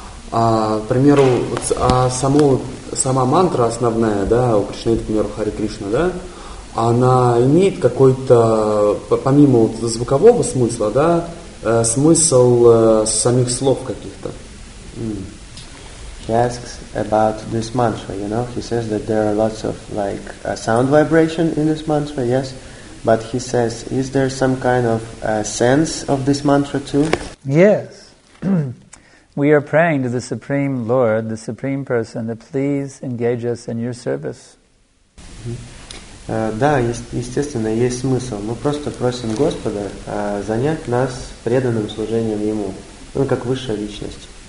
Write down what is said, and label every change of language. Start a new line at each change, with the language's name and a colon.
Russian: К примеру, вот, сама мантра основная, да, у Кришны, это, к примеру, Харе Кришна, да, она имеет какой-то, помимо вот звукового смысла, да, смысл самих слов каких-то.
English: He asks about this mantra, you know. He says that there are lots of, like, a sound vibration in this mantra, yes. But he says, is there some kind of sense of this mantra too? Yes. We are praying to the Supreme Lord, the Supreme Person, to please engage us in your service.
Russian: Да, естественно, есть смысл. Мы просто просим Господа занять нас преданным служением Ему, ну, как высшая личность.